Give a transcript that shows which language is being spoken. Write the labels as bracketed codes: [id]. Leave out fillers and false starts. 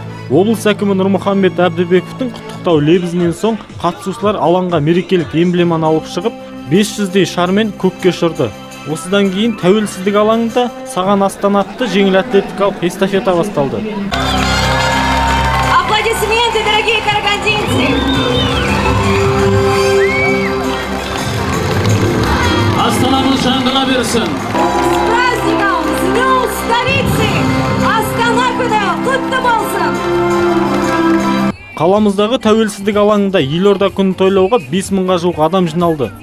[kk] Облыс әкімі Нұрмұхамбет Әбдібековтің құттықтау лебізінен соң қатысушылар алаңға мерекелік эмблеманы алып шығып, 500-дей шармен көкке ұшырды. Осыдан кейін тәуелсіздік алаңында «Саған Астана» атты жеңіл атлетикалық эстафета басталды. [ru] Аплодисменты, дорогие карагандинцы! [kk] Астанамыз жаңғыра берсін! [ru] С праздником! С днем столицы! [kk] Астана күні құтты болсын! Қаламыздағы тәуелсіздік алаңында елорда күнін тойлауға 5000-ға жуық адам жиналды.